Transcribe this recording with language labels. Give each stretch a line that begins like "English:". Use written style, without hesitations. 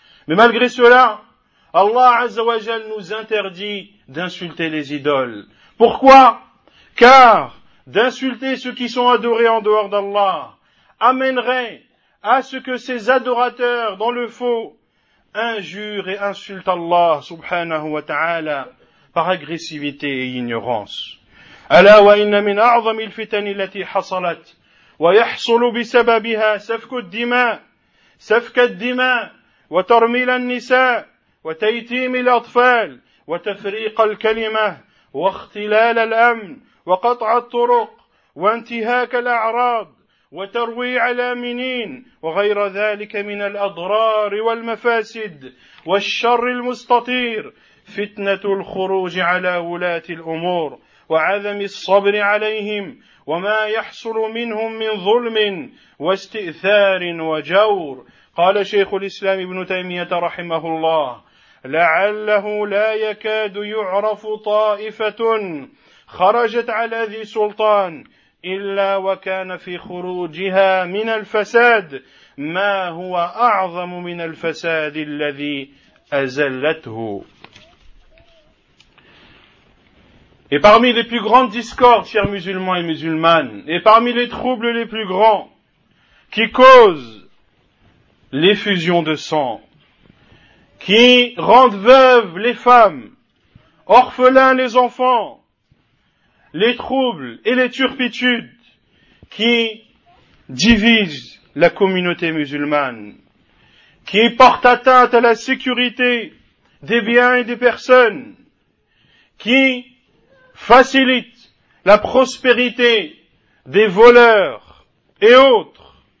French: Mais malgré cela, Allah Azza wa Jal nous interdit d'insulter les idoles. Pourquoi? Car d'insulter ceux qui sont adorés en dehors d'Allah amènerait à ce que ces adorateurs, dans le faux, injurent et insultent Allah subhanahu wa ta'ala par agressivité et ignorance.
Arabic: ألا وإن من أعظم الفتن التي حصلت ويحصل بسببها سفك الدماء سفك الدماء وترميل النساء وتيتيم الأطفال وتفريق الكلمة واختلال الأمن وقطع الطرق وانتهاك الأعراض وترويع الأمنين وغير ذلك من الأضرار والمفاسد والشر المستطير فتنة الخروج على ولاة الأمور وعدم الصبر عليهم وما يحصل منهم من ظلم واستئثار وجور قال شيخ الإسلام ابن تيمية رحمه الله لعله لا يكاد يعرف طائفة خرجت على ذي سلطان إلا وكان في خروجها من الفساد ما هو أعظم من الفساد الذي أزلته.
French: Et parmi les plus grandes discordes, chers musulmans et musulmanes, et parmi les troubles les plus grands qui causent l'effusion de sang, qui rendent veuves les femmes, orphelins les enfants, les troubles et les turpitudes qui divisent la communauté musulmane, qui portent atteinte à la sécurité des biens et des personnes, qui facilite la prospérité des voleurs et autres.